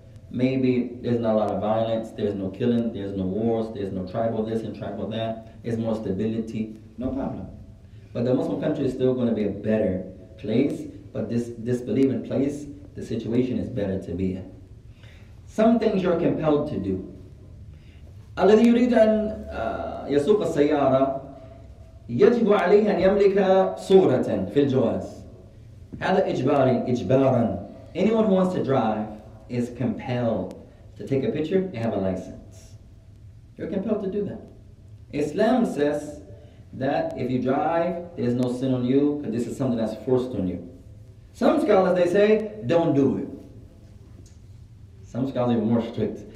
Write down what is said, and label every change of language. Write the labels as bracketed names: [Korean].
[English] Maybe there's not a lot of violence, there's no killing, there's no wars, there's no tribal this and tribal that. There's more stability, no problem. But the Muslim country is still going to be a better place, but this disbelieving place, the situation is better to be in. Some things you're compelled to do. [Arabic] الذي يريد أن يسوق السيارة يجب عليه أن يملك صورة في الجواز. هذا إجباري, إجباراً. [English] Anyone who wants to drive is compelled to take a picture and have a license. You're compelled to do that. Islam says that if you drive, there's no sin on you, because this is something that's forced on you. Some scholars, they say, don't do it. Some scholars are more strict.